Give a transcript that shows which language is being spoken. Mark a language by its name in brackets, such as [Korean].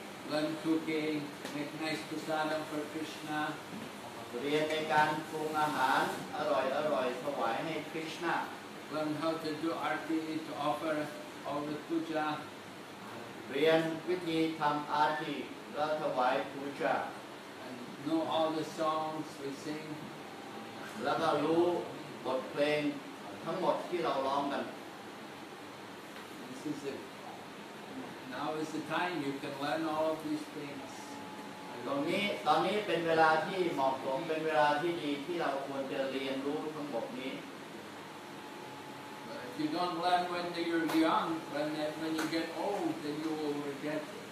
[English] Learn cooking, make nice prasadam for Krishna. [Thai] เรียนในการปรุงอาหารอร่อยๆถวายให้คริชนา [English] Learn how to do arti to offer all the puja. [Thai] เรียนวิธีทำอาร์ตีและถวายปูชา [English] And know all the songs we sing. [Thai] แล้วก็รู้บทเพลงทั้งหมดที่เราร้องกัน [English] This is it. Now is the time you can learn all of these things. [Thai] ตอนนี้เป็นเวลาที่เหมาะสมเป็นเวลาที่ดีที่เราควรจะเรียนรู้ทั้งหมดนี้ [English] If you don't learn when you're young, when you get old, then you will forget.